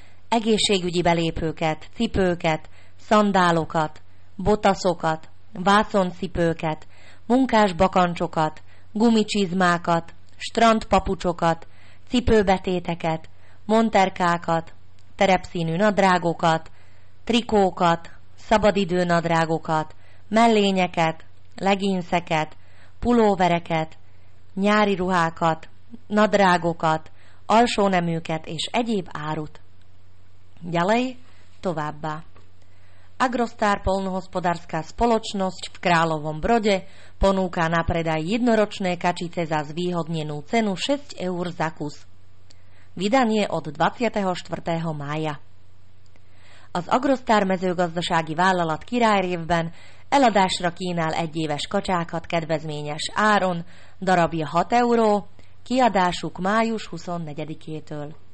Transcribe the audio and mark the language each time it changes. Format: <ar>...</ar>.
<hu>egészségügyi belépőket, cipőket, szandálokat, botaszokat, vászoncipőket, munkás bakancsokat, gumicsizmákat, strandpapucsokat, cipőbetéteket, monterkákat, terepszínű nadrágokat, trikókat, szabadidő nadrágokat, mellényeket, leginszeket, pulóvereket, nyári ruhákat, nadrágokat, alsóneműket és egyéb árut.</hu> <sk>Ďalej</sk> <hu>továbbá.</hu> <sk>Agrostar polnohospodárska spoločnosť v Královom Brode ponúka na predaj jednoročné kačice za zvýhodnenú cenu 6 eur za kus. Vydanie od 24. mája.</sk> <hu>Az Agrostar mezőgazdasági vállalat Királyrévben eladásra kínál egyéves kacsákat kedvezményes áron, darabja 6 euró, kiadásuk május 24-től.</hu>